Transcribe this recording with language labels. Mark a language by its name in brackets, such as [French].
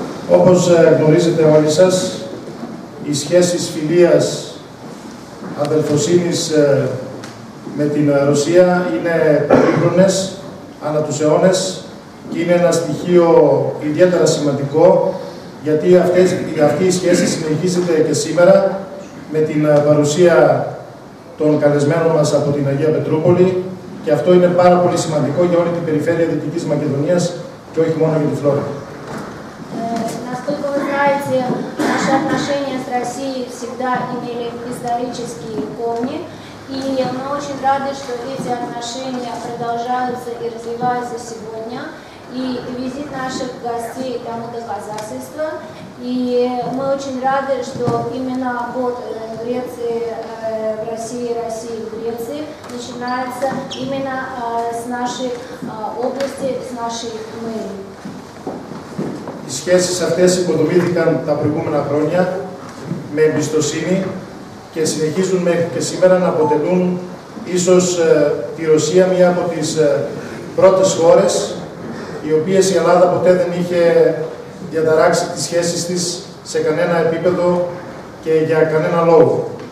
[Greek] Όπως γνωρίζετε όλοι σας, οι σχέσεις φιλίας, αδελφοσύνης με την Ρωσία είναι πολύχρονες, ανά τους αιώνες και είναι ένα στοιχείο ιδιαίτερα σημαντικό, γιατί αυτή η σχέση συνεχίζεται και σήμερα με την παρουσία των καλεσμένων μας από την Αγία Πετρούπολη και αυτό είναι πάρα πολύ σημαντικό για όλη την περιφέρεια Δυτικής Μακεδονίας και όχι μόνο για τη Φλόρινα. [Russian] Знаете, наши отношения с Россией всегда имели исторические корни, и мы очень рады, что эти отношения продолжаются и развиваются сегодня, и визит наших гостей тому доказательство, и мы очень рады, что именно вот Греции, в России, России, в Греции начинается именно с нашей области, с нашей мэрии. [Greek] Οι σχέσεις αυτές υποδομήθηκαν τα προηγούμενα χρόνια με εμπιστοσύνη και συνεχίζουν μέχρι και σήμερα να αποτελούν ίσως τη Ρωσία μία από τις πρώτες χώρες οι οποίες η Ελλάδα ποτέ δεν είχε διαταράξει τις σχέσεις της σε κανένα επίπεδο και για κανένα λόγο.